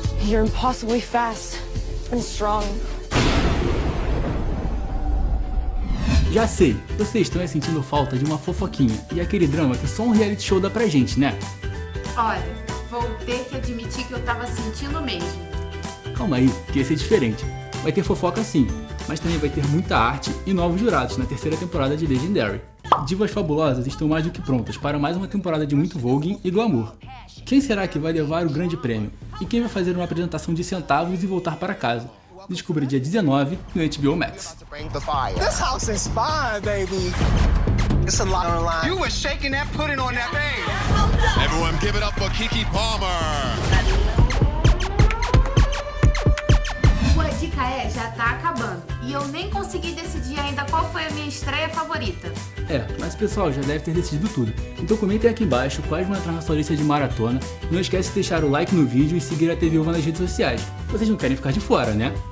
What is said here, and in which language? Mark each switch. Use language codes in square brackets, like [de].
[en] You're impossibly fast and strong. [pt] Já sei, vocês estão sentindo falta de uma fofoquinha e aquele drama que só um reality show dá pra gente, né? Olha, vou ter que admitir que eu tava sentindo mesmo. calma aí, que ia ser diferente. Vai ter fofoca sim, mas também vai ter muita arte e novos jurados na terceira temporada de Legendary. Divas Fabulosas estão mais do que prontas para mais uma temporada de muito voguing e glamour. Quem será que vai levar o grande prêmio? E quem vai fazer uma apresentação de centavos e voltar para casa? Descubra dia 19 no HBO Max. [en] This house is fire, baby. It's a lot of life. You were shaking that pudding on that thing. Everyone give it up for Kiki Palmer. [pt] Sua dica é, já tá acabando. E eu nem consegui decidir ainda qual foi a minha estreia favorita. É, mas pessoal, já deve ter decidido tudo. Então comentem aqui embaixo quais vão entrar na sua lista de maratona. Não esquece de deixar o like no vídeo e seguir a TV Uva nas redes sociais. Vocês não querem ficar de fora, né?